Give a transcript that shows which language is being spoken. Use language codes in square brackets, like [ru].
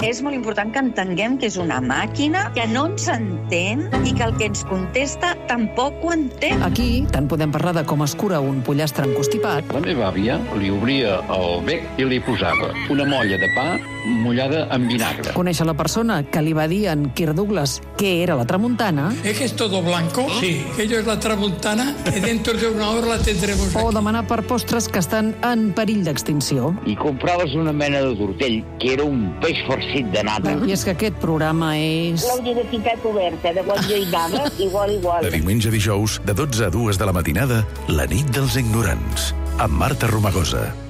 [ca] És molt important que entenguem que és una màquina que no ens entén i que el que ens contesta tampoc ho entén. Aquí tant podem parlar de com es cura un pollastre encostipat. La meva àvia li obria el bec i li posava una molla de pa mullada en vinagre. Coneixer la persona que li va dir en Kirk Douglas què era la tramuntana. [es] ¿Es esto todo blanco? [ca] Sí. [es] Ello es la tramuntana y dentro de una hora la tendremos aquí. [ca] O demanar per postres que estan en perill d'extinció. I compraves una mena de tortell, que era un peix farcit de nata. I és que aquest programa és... L'audiovisitat oberta, de qual jo hi vaga, igual, igual. De diumenge a dijous, de 12 a 2 de la matinada, la nit dels ignorants, amb Marta Romagosa.